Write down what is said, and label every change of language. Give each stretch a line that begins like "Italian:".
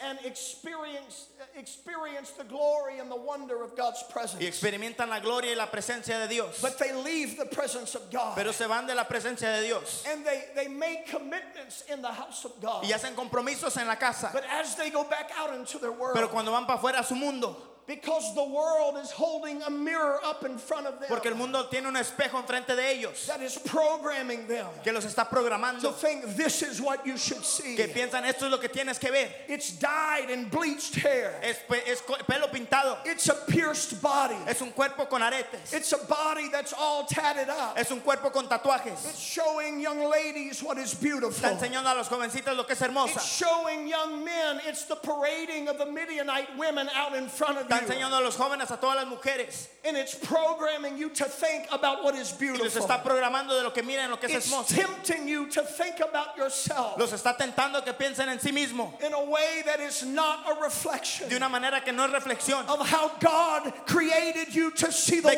English: And experience the glory and the wonder of God's presence.
Spanish: Y experimentan la gloria y la presencia de Dios.
English: But they leave the presence of God.
Spanish: Pero se van de la presencia de Dios.
English: And they make commitments in the house of God.
Spanish: Y hacen compromisos en la casa.
English: But as they go back out into their world.
Spanish: Pero cuando van para afuera a su mundo.
English: Because the world is holding a mirror up in front of them.
Spanish: Porque el mundo tiene un espejo enfrente de ellos.
English: That is programming them.
Spanish: Que los está programando.
English: To think this is what you should see.
Spanish: Que piensan esto es lo que tienes que ver.
English: It's dyed and bleached hair.
Spanish: Es pelo pintado.
English: It's a pierced body.
Spanish: Es un cuerpo con aretes.
English: It's a body that's all tatted up.
Spanish: Es un cuerpo con tatuajes.
English: It's showing young ladies what is beautiful.
Spanish: Está enseñando a los jovencitos lo que es hermosa.
English: It's showing young men. It's the parading of the Midianite women out in front of you.
Spanish: Enseñando a los jóvenes a todas las mujeres.
English: And it's programming you to think about what is beautiful.
Spanish: Los está programando de lo que miran, lo que es hermoso.
English: It's tempting you to think about yourself.
Spanish: Los está tentando que piensen en sí mismo.
English: In a way that is not a reflection.
Spanish: De una manera que no es reflexión.
English: Of how God created you to see the